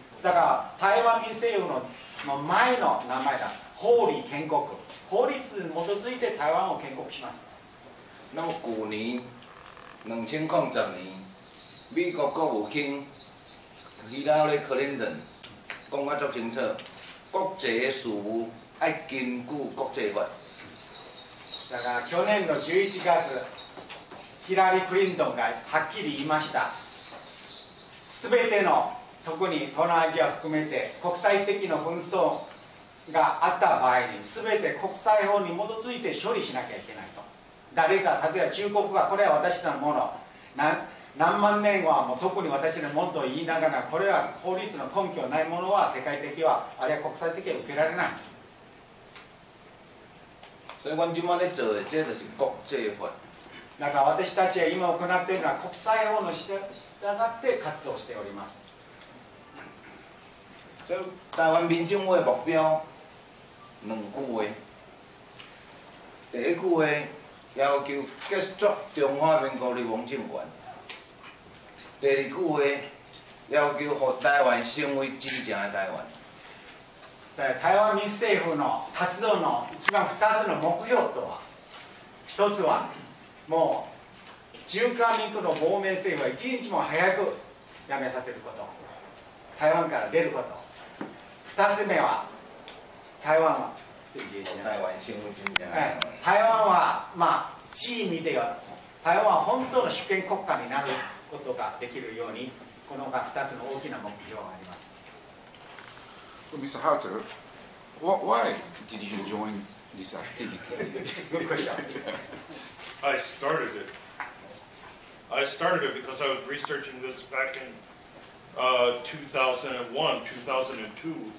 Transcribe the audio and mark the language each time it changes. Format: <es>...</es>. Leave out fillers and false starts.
<ja>だから台湾民政府の前の名前だ。法理建国、法律に基づいて台湾を建国します。</ja> <zh>那么去年2010年，美国国务卿希拉里·克林顿讲得足清楚，国际事务爱根据国际法。</zh> <ja>だから去年の11月、ヒラリー・クリントンがはっきり言いました。すべての特に東南アジア含めて国際的な紛争があった場合に、すべて国際法に基づいて処理しなきゃいけないと。誰か、例えば中国がこれは私のもの、何万年はもう特に私のものと言いながら、これは法律の根拠ないものは世界的は、あるいは国際的は受けられない。それは今までと言ってたし、国際法。だから私たちは今行っているのは国際法に従って活動しております。</ja> <zh>台湾民政府的目标两句话，第一句话要求结束中华民国的王政权，第二句话要求让台湾成为真正的台湾。</zh> <ja>台湾民政府の活動の一番二つの目標とは、一つはもう中華民国の亡命政府は一日も早く辞めさせること、台湾から出ること、二つ目は台湾は台湾は、まあ、地位見てよ、台湾は本当の主権国家になることができるように、このほか二つの大きな目標があります。</ja> <en>Mr. Hatter, why did you join this activity? Good question. I started it. I started it because I was researching this back in 2001, 2002.</en>